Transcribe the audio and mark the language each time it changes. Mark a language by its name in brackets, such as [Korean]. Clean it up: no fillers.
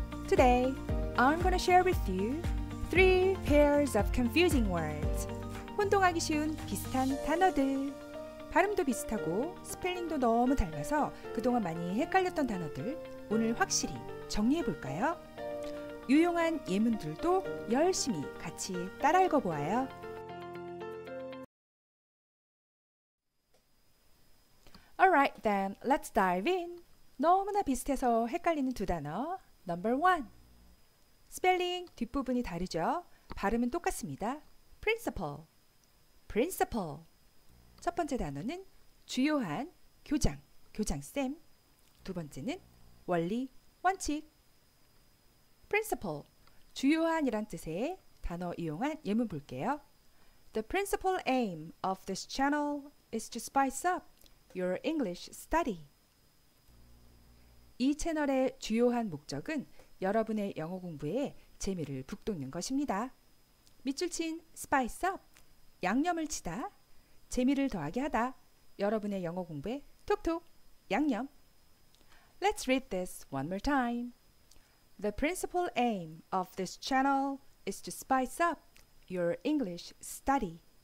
[English] Today, I'm going to share with you three pairs of confusing words. [Korean] 혼동하기 쉬운 비슷한 단어들. 발음도 비슷하고 스펠링도 너무 닮아서 그동안 많이 헷갈렸던 단어들 오늘 확실히 정리해볼까요? 유용한 예문들도 열심히 같이 따라 읽어보아요. [English] 알라이트 댄, 렛츠 다이브 인. [Korean] 너무나 비슷해서 헷갈리는 두 단어. 넘버 원. 스펠링 뒷부분이 다르죠? 발음은 똑같습니다. 프린시플. 프린시플. 첫 번째 단어는 주요한 교장, 교장쌤. 두 번째는 원리, 원칙. principal, 주요한이란 뜻의 단어 이용한 예문 볼게요. [English] The principal aim of this channel is to spice up your English study. [Korean] 이 채널의 주요한 목적은 여러분의 영어 공부에 재미를 북돋는 것입니다. 밑줄 친 spice up, 양념을 치다, 재미를 더하게 하다, 여러분의 영어 공부에 톡톡, 양념. [English] Let's read this one more time. The principal aim of this channel is to spice up your English study.